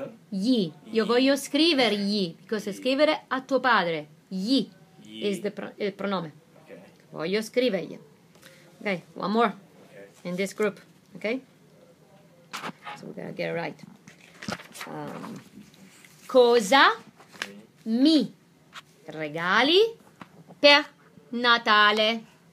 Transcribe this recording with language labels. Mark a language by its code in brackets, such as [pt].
[it] Voglio scrivere gli, perché scrivere a tuo padre, gli is il pronome. [en] Okay. [it] Voglio scrivergli. [en] Ok, one more, okay. In this group, ok? So we gotta get it right. [it] Cosa mi regali per Natale?